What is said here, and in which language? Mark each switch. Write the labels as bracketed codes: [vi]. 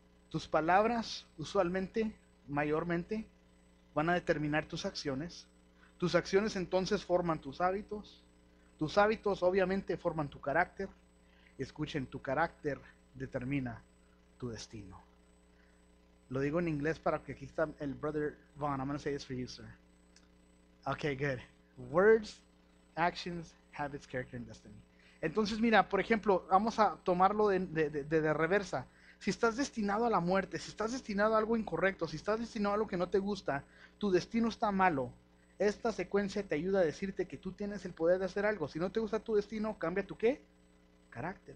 [es] Tus palabras usualmente, mayormente, van a determinar tus acciones. Tus acciones entonces forman tus hábitos. Tus hábitos obviamente forman tu carácter. Escuchen, tu carácter determina tu destino. Lo digo en inglés para que aquí está el brother Vaughn. [en] I'm going to say this for you, sir. Okay, good. Words, actions, habits, character, and destiny. [es] Entonces, mira, por ejemplo, vamos a tomarlo de reversa. Si estás destinado a la muerte, si estás destinado a algo incorrecto, si estás destinado a algo que no te gusta, tu destino está malo. Esta secuencia te ayuda a decirte que tú tienes el poder de hacer algo. Si no te gusta tu destino, cambia tu ¿qué? Carácter.